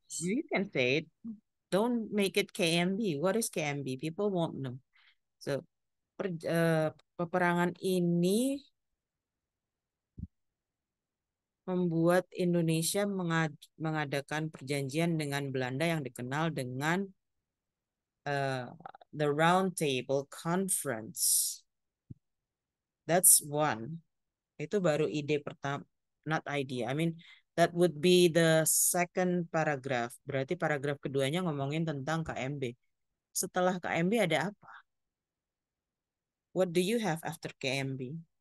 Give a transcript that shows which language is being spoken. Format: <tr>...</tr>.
<en>You can say it. Don't make it KMB. What is KMB? People won't know.</en> <id>So, peperangan ini membuat Indonesia mengadakan perjanjian dengan Belanda yang dikenal dengan the Round Table Conference.</id> <en>That's one.</en> <id>Itu baru ide pertama,</id> <en>not idea. I mean, that would be the second paragraph.</en> <id>Berarti paragraf keduanya ngomongin tentang KMB. Setelah KMB ada apa?</id> <en>What do you have after KMB?</en>